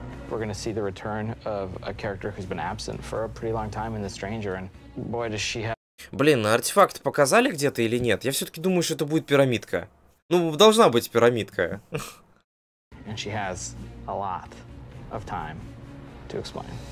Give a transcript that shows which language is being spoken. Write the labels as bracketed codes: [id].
[en] We're gonna see the return of a character who's been absent for a pretty long time in The Stranger, and boy, does she have... [ru] Блин, артефакт показали где-то или нет? Я все-таки думаю, что это будет пирамидка. Ну, должна быть пирамидка. [en] And she has a lot of time to explain.